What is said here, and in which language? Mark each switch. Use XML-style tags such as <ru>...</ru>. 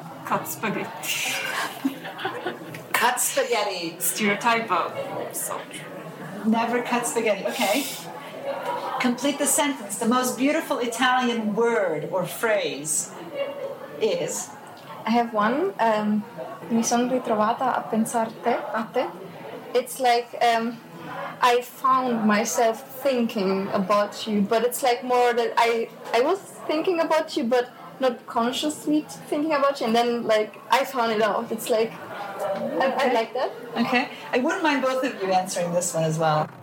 <en>Cut spaghetti. Cut spaghetti. Stereotypo. Never cut spaghetti. Okay. Complete the sentence. The most beautiful Italian word or phrase is? I have one.</en> <it>Mi sono ritrovata a pensarte, a te.</it> <en>It's like I found myself thinking about you, but it's like more that I was thinking about you, but not consciously thinking about you, and then like I found it out. It's like, okay. I like that. Okay, I wouldn't mind both of you answering this one as well.</en>